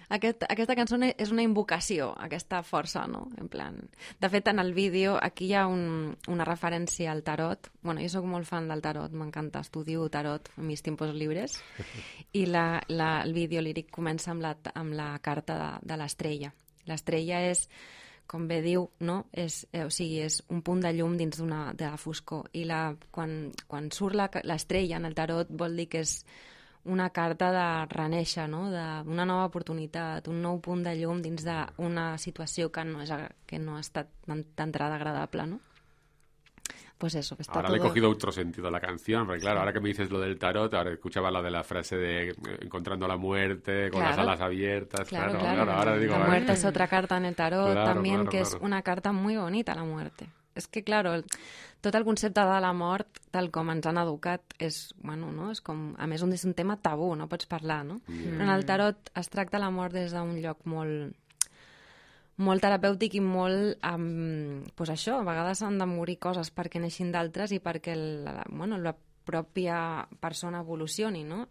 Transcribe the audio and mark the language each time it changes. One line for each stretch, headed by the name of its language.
Catalan: Aquesta cançó és una invocació, aquesta força, no? En plan... De fet, en el vídeo, aquí hi ha una referència al tarot. Bueno, jo soc molt fan del tarot, m'encanta.
Spanish: Estudio tarot en mis tiempos libres.
Catalan: I el vídeo líric comença amb la carta de l'estrella. L'estrella és, com bé diu, no? És un punt de llum dins de la foscor. I quan surt l'estrella en el tarot, vol dir que és... una carta de renéixer, no? D'una nova oportunitat, un nou punt de llum dins d'una situació que no ha estat d'entrada agradable, no?
Spanish: Pues eso, está ahora todo... le he cogido otro sentido a la canción, porque claro, ahora que me dices lo del tarot, ahora escuchaba la de la frase de encontrando la muerte con claro, las alas abiertas. Claro, ahora digo, la muerte es otra carta en el tarot, claro, también, claro, que claro. Es una carta muy bonita, la muerte.
Catalan: És que, claro, tot el concepte de la mort, tal com ens han educat, és, bueno, no? És com, a més, és un tema tabú, no pots parlar, no? Mm. Però en el tarot es tracta la mort des d'un lloc molt, molt terapèutic i molt, pues això, a vegades han de morir coses perquè neixin d'altres i perquè la pròpia persona evolucioni, no?